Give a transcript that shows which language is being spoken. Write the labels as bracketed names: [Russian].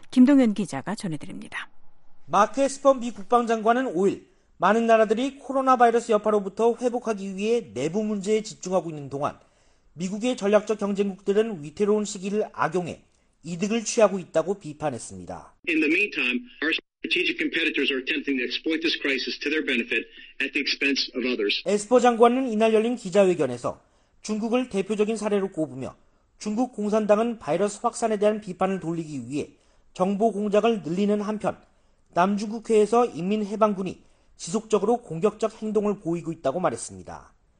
[Korean] 김동현 기자가 전해드립니다. 마크 에스퍼 미 국방장관은 5일 많은 나라들이 코로나 바이러스 여파로부터 회복하기 위해 내부 문제에 집중하고 있는 동안 미국의 전략적 경쟁국들은 위태로운 시기를 악용해 이득을 취하고 있다고 비판했습니다. [English] In the meantime, our strategic competitors are attempting to exploit this crisis to their benefit at the expense of others. [Korean] 에스퍼 장관은 이날 열린 기자회견에서 중국을 대표적인 사례로 꼽으며 중국 공산당은 바이러스 확산에 대한 비판을 돌리기 위해 정보 공작을 늘리는 한편 남중국해에서 인민해방군이 지속적으로 공격적 행동을 보이고 있다고 말했습니다.